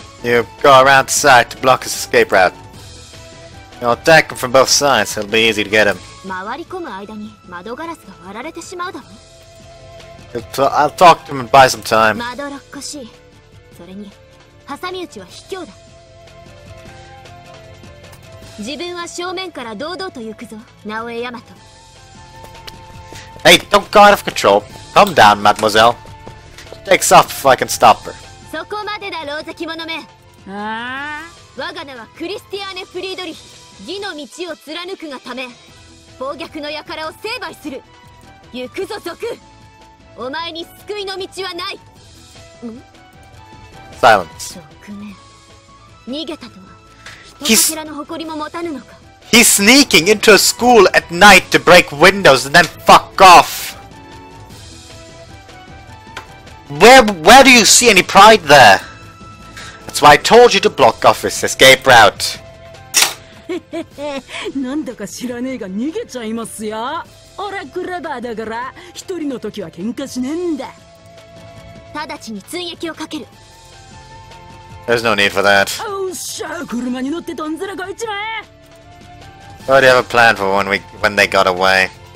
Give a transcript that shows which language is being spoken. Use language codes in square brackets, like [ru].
[en] You go around the side to block his escape route. I'll attack him from both sides. It'll be easy to get him. [ja] 回り込む間に窓ガラスが割られてしまうだろ。 [en] I'll talk to him and buy some time. [ja] まどろっこしい。それに、ハサミ打ちは卑怯だ。自分は正面から堂々と行くぞ、直江大和。 [en] Hey, don't go out of control. Calm down, mademoiselle. She takes off if I can stop her. [ja] そこまでだ、狼藉者め。ああ。我が名はクリスティアーネ・フリードリヒ。義の道を貫くがため、暴虐の輩を成敗する。行くぞ族。お前に救いの道はない。 [en] Silence。 [ja] 側面。逃げたとは。ひとかけらの誇りも持たぬのか。 [en] He's sneaking into a school at night to break windows and then fuck off. Where do you see any pride there? That's why I told you to block off his escape route. [ja] なんだか知らねえが逃げちゃいますよ。オラクラバーだから一人の時は喧嘩しねえんだ。直ちに追撃をかける。 [en] There's no need for that. [ja] おっしゃ、車に乗ってどんずらこいちまえ。 [en] Oh, do you have a plan for when they got away?